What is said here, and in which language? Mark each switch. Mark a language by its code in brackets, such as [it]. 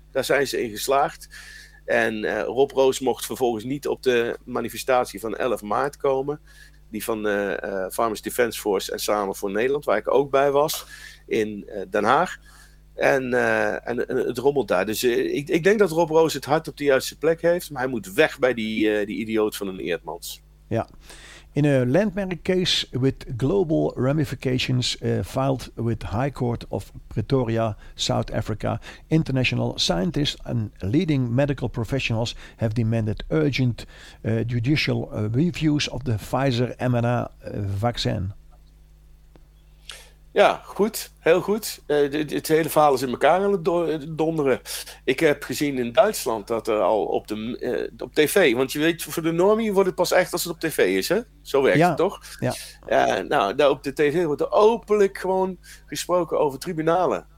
[nl] Daar zijn ze in geslaagd. En Rob Roos mocht vervolgens niet op de manifestatie van 11 maart komen. Die van Farmers Defence Force en Samen voor Nederland, waar ik ook bij was, in Den Haag. En het rommelt daar. Dus ik denk dat Rob Roos het hart op de juiste plek heeft. Maar hij moet weg bij die idioot van een Eerdmans. Ja. [en] In a landmark case with global ramifications filed with High Court of Pretoria, South Africa, international scientists and leading medical professionals have demanded urgent judicial reviews of the Pfizer mRNA vaccine. [nl] Ja, goed. Heel goed. Het hele verhaal is in elkaar aan het donderen. Ik heb gezien in Duitsland dat er al op de op tv... Want je weet, voor de normie wordt het pas echt als het op tv is, hè? Zo werkt het, toch? Ja. Daar op de tv wordt er openlijk gewoon gesproken over tribunalen.